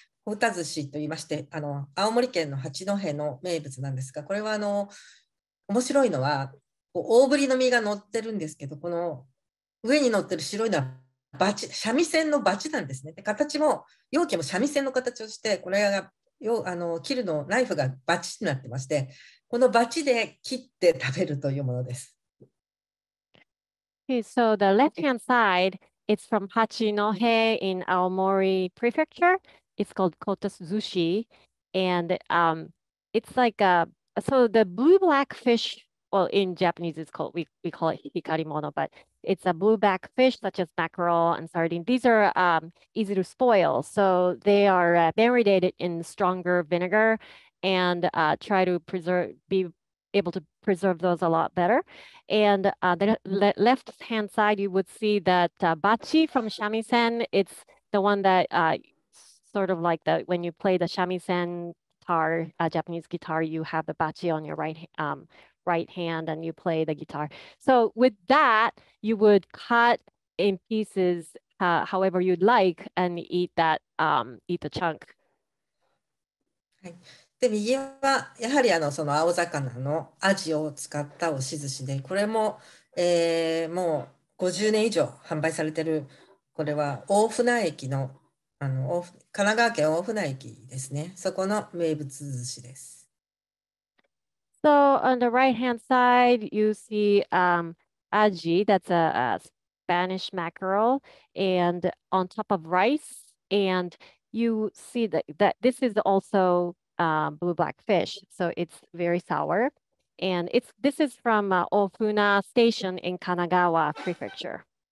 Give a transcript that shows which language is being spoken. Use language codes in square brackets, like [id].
[ja] ホタ寿司といいまして、あの青森県の八戸の名物なんですが、これはあの面白いのは大ぶりの身が乗ってるんですけど、この上に乗ってる白いのはバチ、三味線のバチなんですね。で形も容器も三味線の形をして、これがあの切るのナイフがバチになってまして、このバチで切って食べるというものです。 [en] Okay, so the left-hand side, it's from Hachinohe in Aomori Prefecture. It's called Kotazushi. And it's like, so the blue-black fish, well, in Japanese, it's called, we call it hikarimono, but it's a blue-black fish such as mackerel and sardine. These are easy to spoil. So they are marinated in stronger vinegar and try to be able to preserve those a lot better. And the left-hand side, you would see that bachi from shamisen, it's the one that sort of like the when you play the shamisen guitar, Japanese guitar, you have the bachi on your right hand and you play the guitar. So with that, you would cut in pieces however you'd like and eat that, eat the chunk. [ja] で右はやはりあのその青魚のアジを使った押し寿司で、これも、もう50年以上販売されている、これは大船駅 の神奈川県大船駅ですね、そこの名物寿司です。 [en] So on the right hand side you see アジ that's a Spanish mackerel and on top of rice and you see that this is alsoblue black fish, so it's very sour, and this is from Ofuna Station in Kanagawa Prefecture.